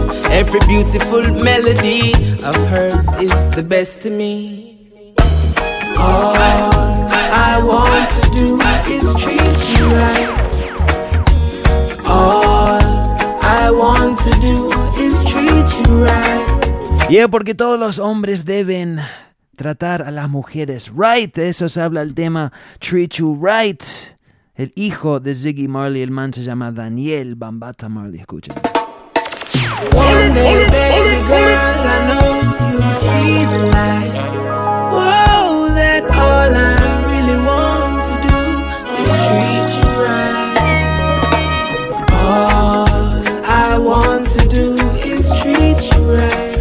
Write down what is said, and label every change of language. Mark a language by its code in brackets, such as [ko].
[en] Every beautiful melody of hers is the best to me. All I want to do is treat you right. All I want to do is treat you right. [es] Y es porque todos los hombres deben tratar a las mujeres right. De eso se habla el tema Treat You Right. El hijo de Ziggy Marley, el man se llama Daniel Bambata Marley. Escuchen. [en] One day, baby girl, I know you'll see the light. Whoa, that all I really want to do is treat you. All I want to do is treat you right.